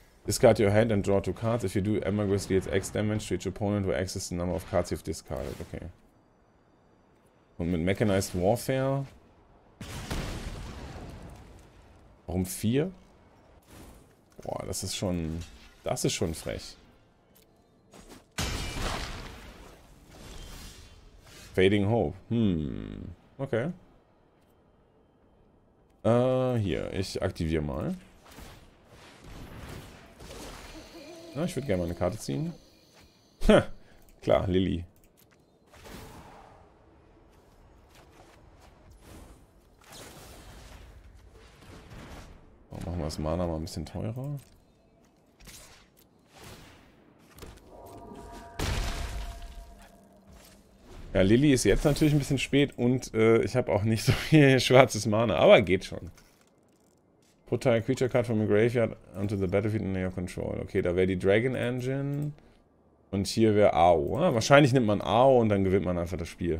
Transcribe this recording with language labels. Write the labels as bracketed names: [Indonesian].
[English] Discard your hand and draw two cards. If you do, Ambergris deals X damage to each opponent, where X is the number of cards you've discarded. Okay. [German] Und mit Mechanized Warfare. Warum 4? Boah, das ist schon frech. Fading Hope. Okay. Hier, ich aktiviere mal. Na, ich würde gerne mal eine Karte ziehen. Klar, Lilly. Machen wir das Mana mal ein bisschen teurer. Ja, Lilly ist jetzt natürlich ein bisschen spät und ich habe auch nicht so viel schwarzes Mana, aber geht schon. [English] Put a creature card from the graveyard onto the battlefield under your control. [German] Okay, da wäre die Dragon Engine. Und hier wäre Ao. Wahrscheinlich nimmt man Ao und dann gewinnt man einfach das Spiel.